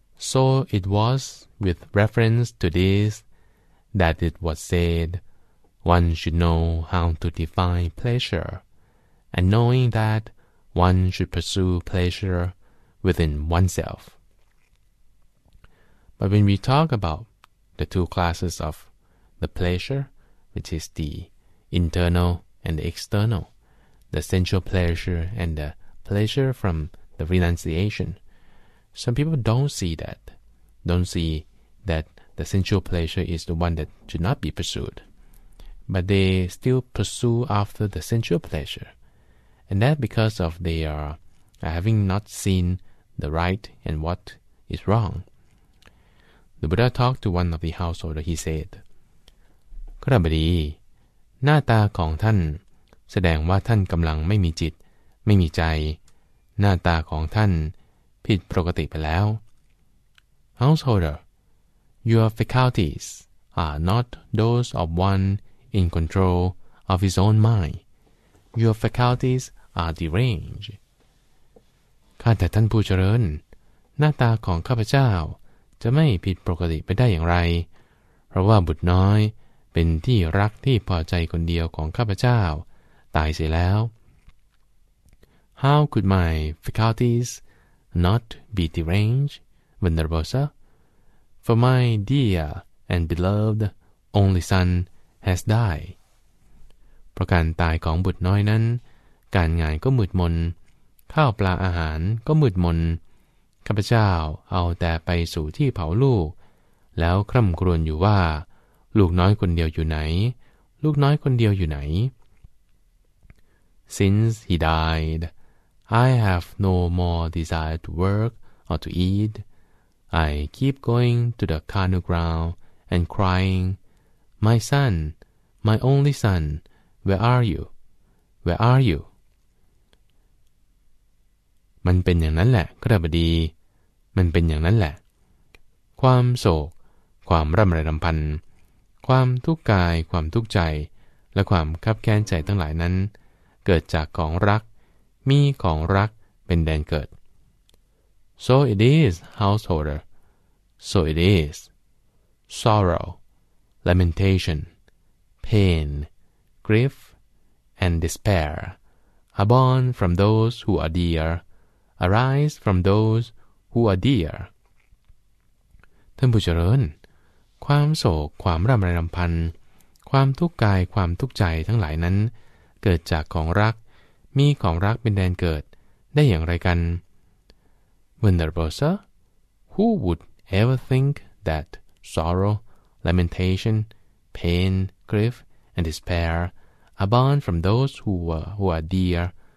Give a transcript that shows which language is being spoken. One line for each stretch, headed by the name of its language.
English: So it was with reference to this that it was said one should know how to define pleasure and knowing that one should pursue pleasure within oneself But when we talk aboutThe two classes of the pleasure, which is the internal and the external, the sensual pleasure and the pleasure from the renunciation. Some people don't see that the sensual pleasure is the one that should not be pursued, but they still pursue after the sensual pleasure. And that because of they are having not seen the right and what is wrong. The Buddha talked to one of the householder. He said,
Thai: ครับบดีหน้าตาของท่านแสดงว่าท่านกำลังไม่มีจิตไม่มีใจหน้าตาของท่านผิดปกติไปแล้ว
English: Householder, your faculties are not those of one in control of his own mind. Your faculties are deranged.
Thai: ข้าแต่ท่านผู้เจริญหน้าตาของข้าพเจ้าจะไม่ผิดปกติไปได้อย่างไรเพราะว่าบุตรน้อยเป็นที่รักที่พอใจคนเดียวของข้าพเจ้าตายเสียแล้ว
English: How could my faculties not be deranged, Venerable Sir? For my dear and beloved only son has died.
Thai: เพราะการตายของบุตรน้อยนั้นการงานก็หมืดมนข้าวปลาอาหารก็หมืดมนข้าพเจ้าเอาแต่ไปสู่ที่เผาลูกแล้วคร่ำครวญอยู่ว่าลูกน้อยคนเดียวอยู่ไหนลูกน้อยคนเดียวอยู่ไหน
English: Since he died, I have no more desire to work or to eat. I keep going to the carnal ground and crying, My son, my only son, where are you? Where are you?
Thai: มันเป็นอย่างนั้นแหละครับบดีมันเป็นอย่างนั้นแหละความโศกความร่ำไรรำพันความทุกข์กายความทุกข์ใจและความคับแค้นใจทั้งหลายนั้นเกิดจากของรักมีของรักเป็นแดนเกิด
English: So it is, householder. So it is. Sorrow, lamentation, pain, grief, and despair are born from those who are deararise from those who are dear.
Thai: ท่านผู้เจริญความโศกความร่ำไรรำพันความทุกข์กายความทุกข์ใจทั้งหลายนั้นเกิดจากของรักมีของรักเป็นแดนเกิดได้อย่างไรกัน
English: Venerable Sir, who would ever think that sorrow, lamentation, pain, grief, and despair are born from those who are dear?